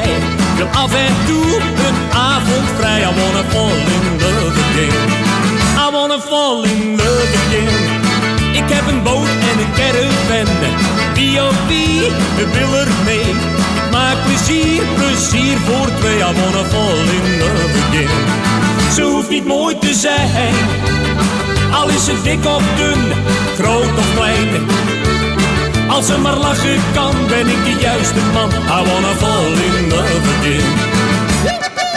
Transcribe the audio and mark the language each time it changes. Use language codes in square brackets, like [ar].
[nl] Ik wil af en toe een avond vrij. [en] I wanna fall in love again. I wanna fall in love again. [nl] Ik heb een boot en een caravan. B.O.B. we willen mee. Ik maak plezier, plezier voor twee. [en] I wanna fall in love again. [nl] Ze hoeft niet mooi te zijn, al is ze dik of dun, groot of klein. Als ze maar lachen kan, ben ik de juiste man. [en] I wanna fall in love again.